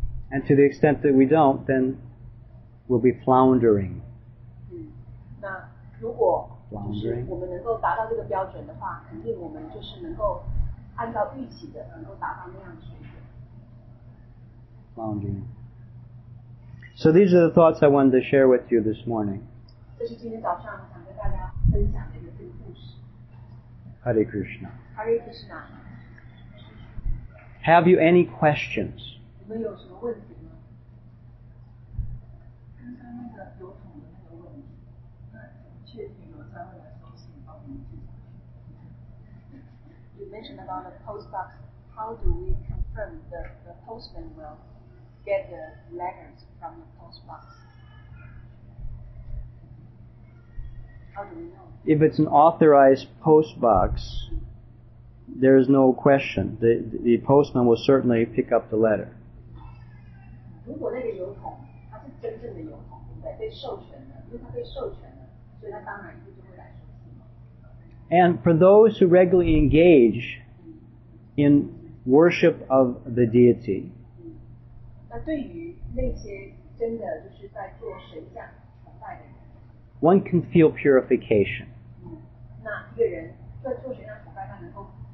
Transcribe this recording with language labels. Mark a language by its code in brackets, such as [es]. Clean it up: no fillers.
[en] And to the extent that we don't, then will be floundering. [zh] 那如果就是我们能够达到这个标准的话，肯定我们就是能够按照预期的能够达到那样的水准。 [en] Floundering. So these are the thoughts I wanted to share with you this morning. [zh] 这是今天早上想跟大家分享的一个故事。 [sa] Hare Krishna. Hare Krishna. [en] Have you any questions? [zh] 你们有什么问题吗？刚刚那个邮筒的那个问题，那确定邮差会来收信帮我们寄上去。 [en] You mentioned about the post box. How do we confirm that the postman will get the letters from the post box? How do we know? If it's an authorized post box,there is no question. The postman will certainly pick up the letter. [zh] 如果那个邮筒它是真正的邮筒，对不对？被授权的，因为它被授权的，所以它当然一定会来收信。 [en] And for those who regularly engage in worship of the deity, [zh] 那对于那些真的就是在做神像崇拜的人， [en] one can feel purification. [zh] 那一个人在做神像崇拜，他能够